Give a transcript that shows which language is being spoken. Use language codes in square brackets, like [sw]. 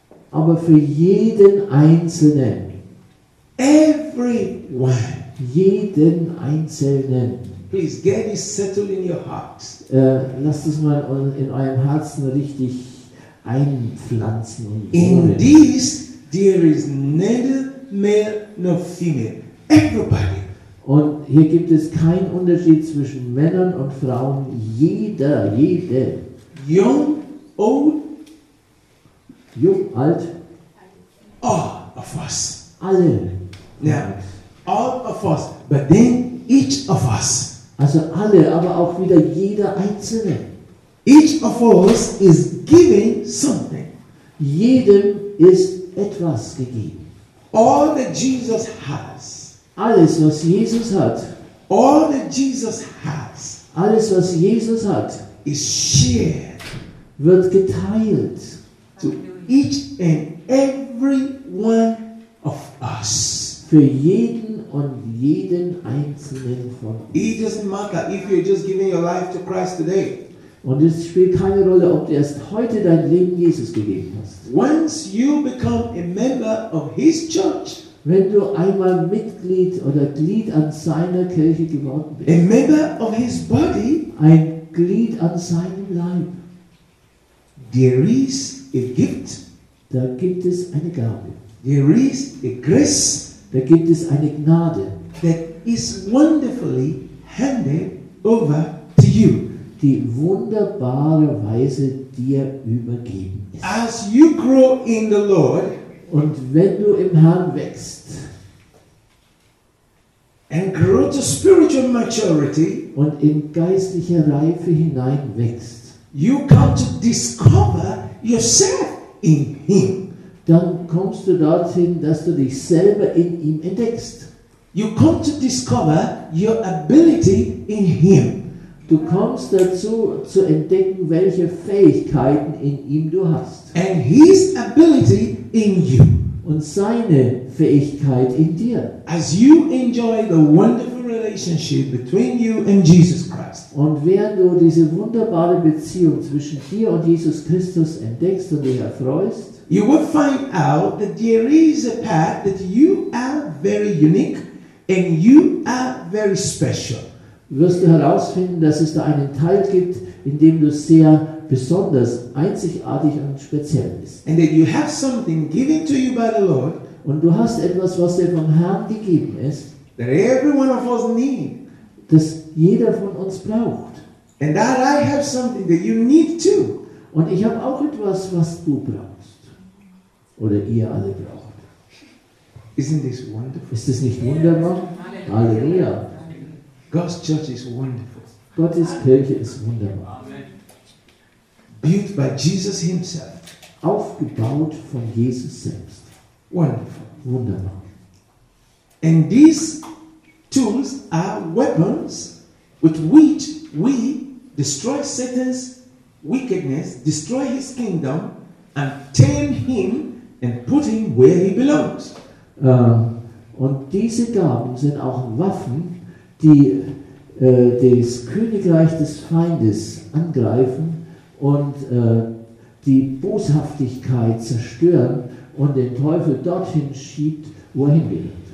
[de] Aber für jeden Einzelnen. [en] Everyone. [de] Jeden Einzelnen. [en] Please get it settled in your heart. [de] Lasst es mal in eurem Herzen richtig einpflanzen. Und [en] in this there is neither male nor female. Everybody. [de] Und hier gibt es keinen Unterschied zwischen Männern und Frauen. Jede. Jung, [en] old. [de] Jung, alt. [en] All of us. [de] Alle. [en] Yeah. All of us. But then each of us. [de] Also alle, aber auch wieder jeder Einzelne. [en] Each of us is giving something. [de] Jedem ist etwas gegeben. [en] All that Jesus has. [de] Alles, was Jesus hat, [en] all that Jesus has, [de] alles, was Jesus hat, [en] is shared, [de] wird geteilt [en] to each and every one of us. [de] Für jeden und jeden einzelnen von uns. [en] It doesn't matter if you're just giving your life to Christ today. [de] Und es spielt keine Rolle, ob du erst heute dein Leben Jesus gegeben hast. [en] Once you become a member of His church. [de] Wenn du einmal Mitglied oder Glied an seiner Kirche geworden bist, [en] a member of his body, [de] ein Glied an seinem Leib, [en] there is a gift, [de] da gibt es eine Gabe, [en] there is a grace, [de] da gibt es eine Gnade, [en] that is wonderfully handed over to you, [de] die wunderbarerweise dir übergeben ist. [en] As you grow in the Lord. [de] Und wenn du im Herrn wächst [en] and grow to spiritual maturity, [de] und in geistlicher Reife hinein wächst, [en] you come to discover yourself in him. [de] Dann kommst du dorthin, dass du dich selber in ihm entdeckst. [en] You come to discover your ability in him. [de] Du kommst dazu, zu entdecken, welche Fähigkeiten in ihm du hast. [en] And his ability in you. [de] Und seine Fähigkeit in dir. [en] As you enjoy the wonderful relationship between you and Jesus Christ. [de] Und während du diese wunderbare Beziehung zwischen dir und Jesus Christus entdeckst und dich erfreust, [en] you will find out that there is a path that you are very unique and you are very special. [de] Wirst du herausfinden, dass es da einen Teil gibt, in dem du sehr besonders einzigartig und speziell bist. [en] And that you have something given to you by the Lord, [de] und du hast etwas, was dir vom Herrn gegeben ist, [en] that every one of us need, [de] das jeder von uns braucht. [en] And that I have something that you need too. [de] Und ich habe auch etwas, was du brauchst. Oder ihr alle braucht. [en] Isn't this wonderful? [de] Ist das nicht wunderbar? Halleluja. Halleluja. [en] God's church is wonderful. [de] Gottes Kirche ist wunderbar. [en] Built by Jesus himself. [de] Aufgebaut von Jesus selbst. [en] Wonderful. [de] Wunderbar. [en] And these tools are weapons with which we destroy Satan's wickedness, destroy his kingdom, and tame him and put him where he belongs. [de] Und diese Gaben sind auch Waffen, die das Königreich des Feindes angreifen und die Boshaftigkeit zerstören und den Teufel dorthin schiebt, wo er hin will.